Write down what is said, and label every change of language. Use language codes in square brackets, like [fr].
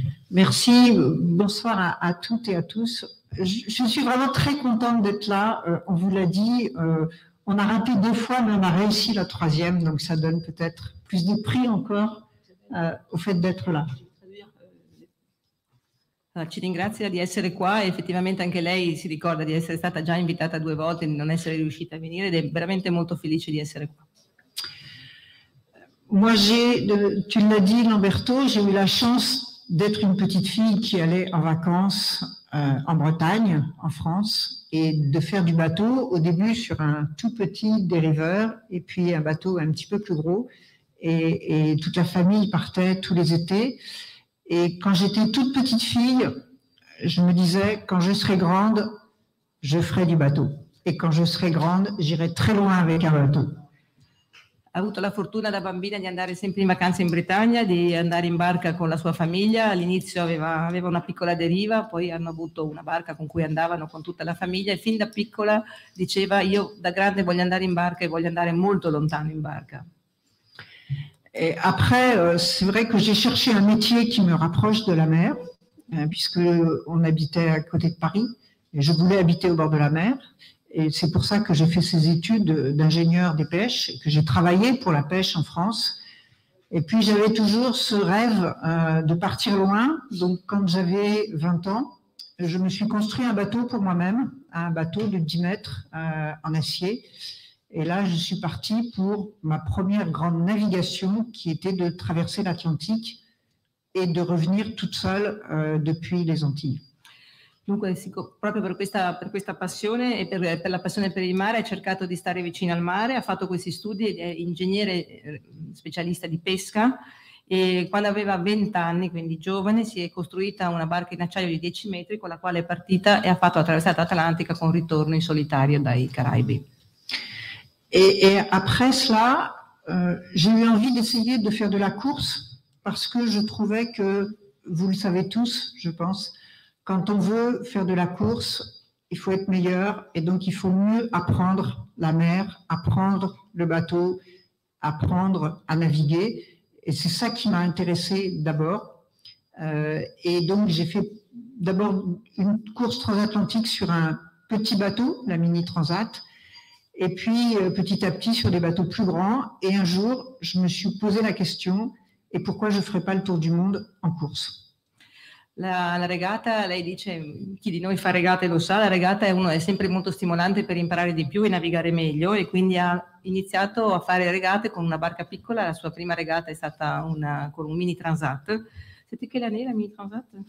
[fr] Merci, bonsoir à toutes et à tous. Je suis vraiment très contente d'être là. On vous l'a dit, on a raté deux fois, mais on a réussi la troisième, donc ça donne peut-être plus de prix encore au fait d'être là. [it] Ci ringrazia di essere qua, effettivamente anche lei si ricorda di essere stata già invitata due volte e non essere riuscita a venire ed è veramente molto felice di essere qua. [fr] Moi j'ai, tu l'as dit Lamberto, j'ai eu la chance d'être une petite fille qui allait en vacances en Bretagne, en France, et de faire du bateau au début sur un tout petit dériveur et puis un bateau un petit peu plus gros et toute la famille partait tous les étés. Et quand j'étais toute petite fille, je me disais, quand je serai grande, je ferai du bateau. Et quand je serai grande, j'irai très loin avec un bateau. [it] Ha avuto la fortuna da bambina di andare sempre in vacanza in Bretagna, di andare in barca con la sua famiglia. All'inizio aveva una piccola deriva, poi hanno avuto una barca con cui andavano con tutta la famiglia. E fin da piccola diceva, io da grande voglio andare in barca e voglio andare molto lontano in barca. [fr] Et après, c'est vrai que j'ai cherché un métier qui me rapproche de la mer, puisque on habitait à côté de Paris, et je voulais habiter au bord de la mer. Et c'est pour ça que j'ai fait ces études d'ingénieur des pêches, que j'ai travaillé pour la pêche en France. Et puis j'avais toujours ce rêve de partir loin. Donc quand j'avais 20 ans, je me suis construit un bateau pour moi-même, un bateau de 10 mètres en acier. Et là, je suis partie pour ma première grande navigation qui était de traverser l'Atlantique et de revenir toute seule depuis les Antilles. [it] Dunque, proprio per questa passione e per la passione per il mare, ha cercato di stare vicino al mare, ha fatto questi studi, è ingegnere specialista di pesca e quando aveva 20 anni, quindi giovane, si è costruita una barca in acciaio di 10 metri con la quale è partita e ha fatto attraversare l'Atlantica con ritorno in solitario dai Caraibi. [fr] Et après cela, j'ai eu envie d'essayer de faire de la course parce que je trouvais que, vous le savez tous, je pense, quand on veut faire de la course, il faut être meilleur et donc il faut mieux apprendre la mer, apprendre le bateau, apprendre à naviguer. Et c'est ça qui m'a intéressée d'abord. Et donc j'ai fait d'abord une course transatlantique sur un petit bateau, la Mini Transat, et puis petit à petit sur des bateaux plus grands, et un jour je me suis posé la question, et pourquoi je ne ferais pas le tour du monde en course. [it] La regata, lei dice, chi di noi fa regate lo sa, la regata è sempre molto stimolante per imparare di più e navigare meglio, e quindi ha iniziato a fare regate con una barca piccola, la sua prima regata è stata con un Mini Transat. Siete che l'année la Mini Transat?